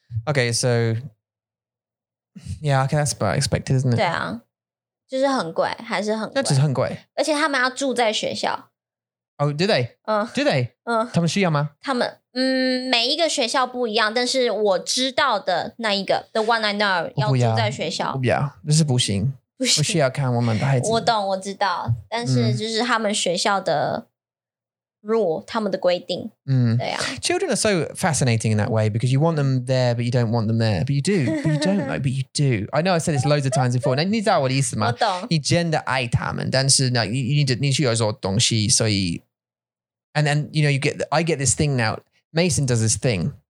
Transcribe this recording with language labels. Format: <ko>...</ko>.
<en>Okay, so, yeah, okay, that's about expected, isn't it?</en> <zh>对啊, 就是很贵, 还是很贵。那只是很贵。而且他们要住在学校。</zh> <en>Oh, do they? Do they?</en> <zh>他们需要吗? 他们, 每一个学校不一样, 但是我知道的那一个,</zh> <en>the one I know,</en> <zh>要住在学校。不要, 这是不行。不需要看我们的孩子。我懂,我知道, 但是就是他们学校的 rule, 他们的规定。</zh> <en>Children are so fascinating in that way, because you want them there, but you don't want them there. But you do, but you don't, like, but you do. I know I said this loads of times before,</en> <zh>你知道我的意思吗? 我懂。你真的爱他们, 但是,</zh> <en>like, you need to,</en> <zh>你需要做东西, 所以,</zh> <en>and then, you know, you get, I get this thing now, Mason does this thing.</en>